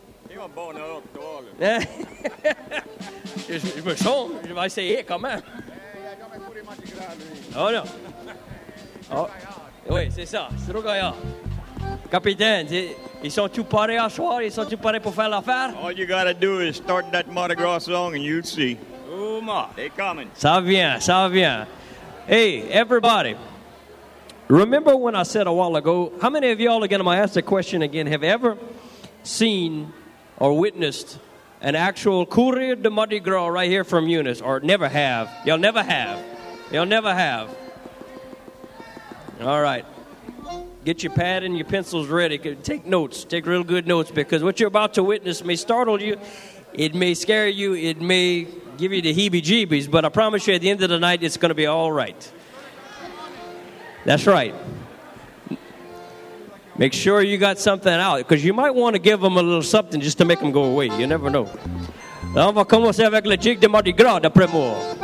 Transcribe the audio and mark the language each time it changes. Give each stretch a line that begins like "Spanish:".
French: Il y a un bon ordre, toi. je me chante, je vais essayer quand même. Oh non. Oh. Oui, c'est ça, c'est Rogaya. Capitaine, ils sont tous parés à soir, ils sont tous parés pour faire l'affaire.
English: All you gotta do is start that Mardi Gras song and you'll see. They coming.
French: Ça vient, ça vient.
English: Hey, everybody. Remember when I said a while ago, how many of y'all are going to ask the question again, have ever seen or witnessed an actual courier de Mardi Gras right here from Eunice, or never have? Y'all never have. Y'all never have. All right. Get your pad and your pencils ready. Take notes. Take real good notes, because what you're about to witness may startle you. It may scare you. It may give you the heebie-jeebies, but I promise you at the end of the night, it's going to be all right. That's right. Make sure you got something out, because you might want to give them a little something just to make them go away. You never know.
French: On va commencer avec le jig de Mardi Gras d'après moi.